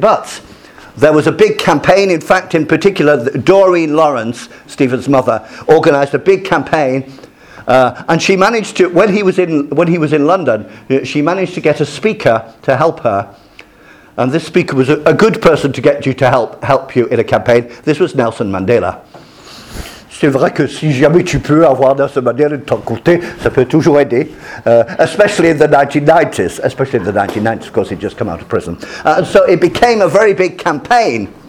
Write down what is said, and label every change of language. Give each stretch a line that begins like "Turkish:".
English: But there was a big campaign, in fact, in particular, Doreen Lawrence, Stephen's mother, organised a big campaign. And she managed to, when he was in London, she managed to get a speaker to help her. And this speaker was a good person to get you to help you in a campaign. This was Nelson Mandela.
French: C'est vrai que si jamais tu peux avoir Nelson Mandela de ton côté, ça peut toujours aider.
English: Especially in the 1990s, of course, he'd just come out of prison. So it became a very big campaign.